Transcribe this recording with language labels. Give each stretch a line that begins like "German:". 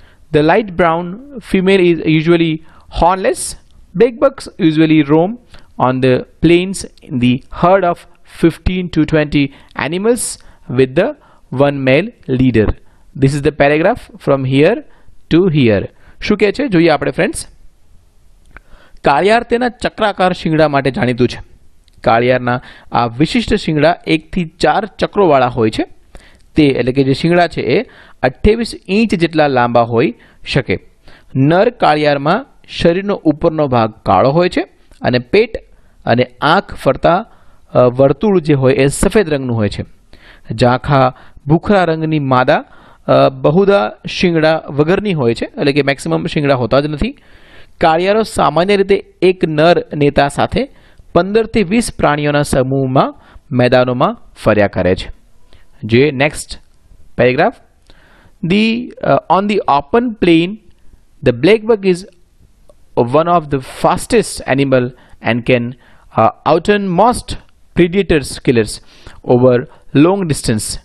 English: The light brown female is usually hornless. Blackbucks usually roam on the plains in the herd of 15 to 20 animals with the one male leader. This is the paragraph from here to here.
Gujarati: શું કહે છે જોઈએ આપણે friends. કાળિયાર તેના ચક્રાકાર શિંગડા માટે જાણીતું છે. કાળિયારના આ વિશિષ્ટ શિંગડા 1 થી 4 ચક્રોવાળા હોય છે. તે એટલે કે જે શિંગડા છે એ 28 ઇંચ જેટલા લાંબા હોઈ શકે. નર કાળિયારમાં શરીરનો ઉપરનો ભાગ કાળો હોય છે અને પેટ અને આંખ ફરતા વર્તુળ જે હોય એ સફેદ રંગનું હોય છે. ઝાંખા ભૂખરા રંગની માદા બહુધા શિંગડા વગરની હોય છે એટલે કે મેક્સિમમ શિંગડા હોતા જ નથી. કાળિયારો સામાન્ય રીતે એક નર નેતા સાથે 15 થી 20 પ્રાણીઓના સમૂહમાં મેદાનોમાં ફર્યા કરે છે. જે next paragraph.
English: The on the open plain the blackbuck is one of the fastest animal and can outrun most predators killers over long distance.